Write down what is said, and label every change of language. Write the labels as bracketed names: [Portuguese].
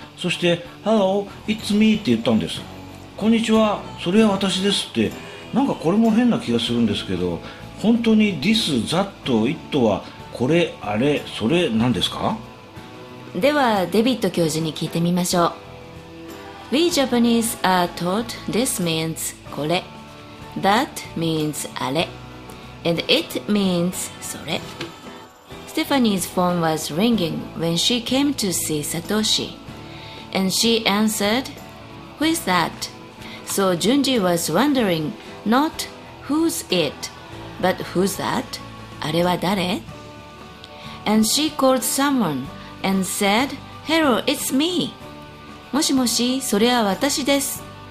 [Japanese] そして [English] Hello, it's me [Japanese] って言ったんです。こんにちは、それは私ですって。なんかこれも変な気がするんですけど、本当に [English] This, that, it [Japanese] はこれ、あれ、それなんですか。ではデビッド教授に聞いてみましょう。 [English] We Japanese are taught this means [Japanese] これ、 [English] that means [Japanese] あれ、 [English] and it means [Japanese] それ。 [English] Stephanie's phone was ringing when she came to see Satoshi and she answered, who is that? So Junji was wondering not who's it but who's that? [Japanese] あれは誰？ [English] And she called someoneAnd said, Hello, it's me. [Japanese] もしもし、それは私です。